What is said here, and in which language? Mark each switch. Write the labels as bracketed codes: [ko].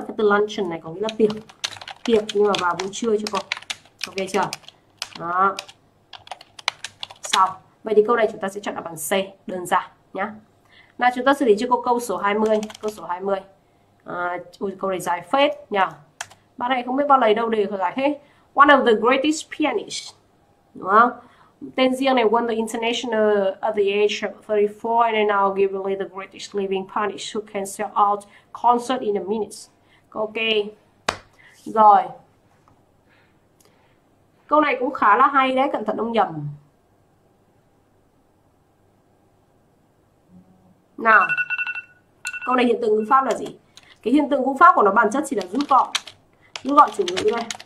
[vi] Cái từ luncheon này có nghĩa là tiệc. Tiệc nhưng mà vào buổi trưa cho con. Ok chưa? Đó. Xong. Vậy thì câu này chúng ta sẽ chọn đáp án C, đơn giản nhá. Nào chúng ta xử lý cho cô câu số 20. Câu số 20. À, ui, câu này dài phết nhỉ. Bạn này không biết bao lấy đâu để giải hết. [en] One of the greatest pianists, [vi] đúng không? Tên riêng này [en] won the international at the age of 34 and now arguably the greatest living pianist who can sell out concert in a minute. [vi] Ok. Rồi. Câu này cũng khá là hay đấy, cẩn thận ông nhầm. Nào. Câu này hiện tượng ngữ pháp là gì? Cái hiện tượng ngữ pháp của nó bản chất chỉ là rút gọn. Rút gọn chủ ngữ đây.